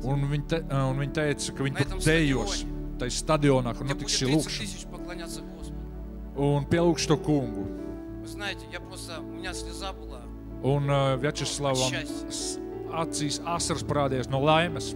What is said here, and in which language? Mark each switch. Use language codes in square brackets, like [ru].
[lv] Un viņa teica, ka viņa tur dejos. Tai stadionā, kur notiks šī lukšen. [ru] Я буду поклоняться Господу. [lv] Un pielūkšu to kungu. [ru] Вы знаете, я просто у меня слеза была. [lv] Un Vjačeslavam acīs asaras parādījās no laimes.